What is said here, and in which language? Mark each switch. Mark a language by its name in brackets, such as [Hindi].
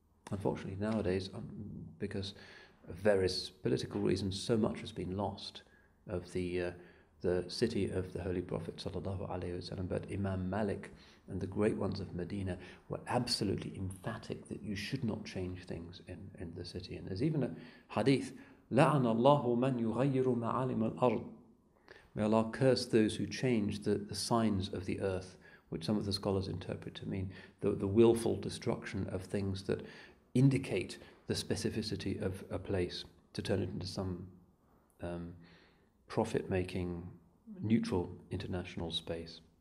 [English] Unfortunately, nowadays, because of various political reasons, so much has been lost of the city of the Holy Prophet [Arabic] sallallahu alaihi wasallam. [English] But Imam Malik and the great ones of Medina were absolutely emphatic that you should not change things in the city. And there's even a hadith, [Arabic] لَعَنَ اللَّهُ مَنْ يُغَيِّرُ مَعَالِمَ الْأَرْضِ. [English] May Allah curse those who change the signs of the earth, which some of the scholars interpret to mean the willful destruction of things that indicate the specificity of a place, to turn it into some profit-making, neutral international space.